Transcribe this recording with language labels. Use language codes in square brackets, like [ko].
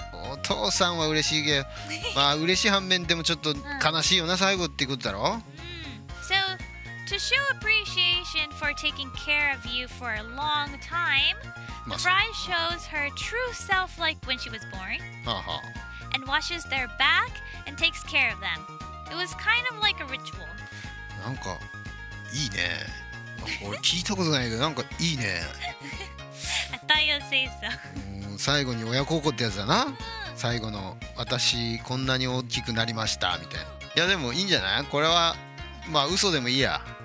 [ja] お父さんは嬉しいけど、まあ嬉しい反面でもちょっと悲しいよな、最後ってことだろ。 [en] So, to show appreciation for taking care of you for a long time, the bride shows her true self like when she was born, and washes their back and takes care of them. It was kind of like a ritual. [ja] なんかいいね。俺聞いたことないけど、なんかいいね。 [en] I thought you'd say so. [ja] 最後に親孝行ってやつだな。最後の私こんなに大きくなりましたみたいな。いやでもいいんじゃない？これはまあ嘘でもいいや。